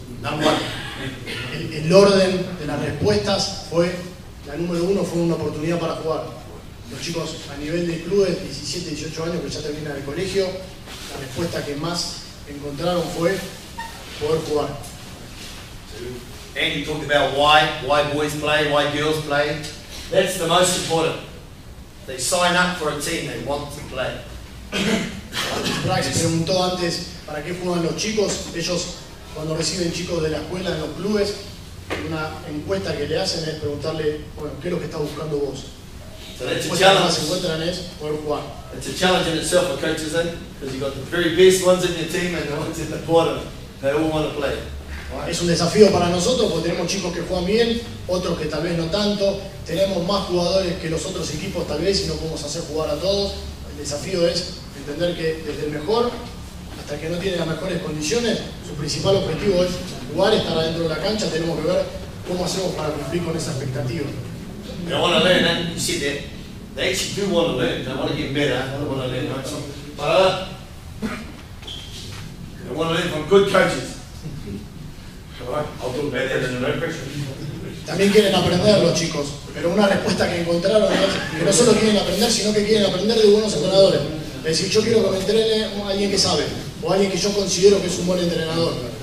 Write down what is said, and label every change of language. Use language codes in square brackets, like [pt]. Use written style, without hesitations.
[en] number one. [es] El orden de las respuestas fue, la número uno fue una oportunidad para jugar. Los chicos a nivel de clubes, 17, 18 años, que ya terminan el colegio, la respuesta que más encontraron fue poder jugar. [en] And you talked about why boys play, why girls play. That's the most important. They sign up for a team, they want to play. [es] Rax preguntó antes, ¿para qué juegan los chicos? Ellos cuando reciben chicos de la escuela en los clubes, una encuesta que le hacen es preguntarle, bueno, ¿qué es lo que estás buscando vos? [en] It's a challenge in itself for coaches, then, because you've got the very best ones in your team and the ones at the bottom. They all want to play. [es] Es un desafío para nosotros porque tenemos chicos que juegan bien, otros que tal vez no tanto. Tenemos más jugadores que los otros equipos tal vez y no podemos hacer jugar a todos. El desafío es entender que desde el mejor hasta el que no tiene las mejores condiciones, su principal objetivo es jugar, estar adentro de la cancha. Tenemos que ver cómo hacemos para cumplir con esa expectativa. [en] They want to learn, and you see that they actually do want to learn. They want to get better. They want to learn, right? So, they want to learn from good coaches. [es] También quieren aprender los chicos, pero una respuesta que encontraron es que no solo quieren aprender, sino que quieren aprender de buenos entrenadores. Es decir, yo quiero que me entrene a alguien que sabe, o alguien que yo considero que es un buen entrenador.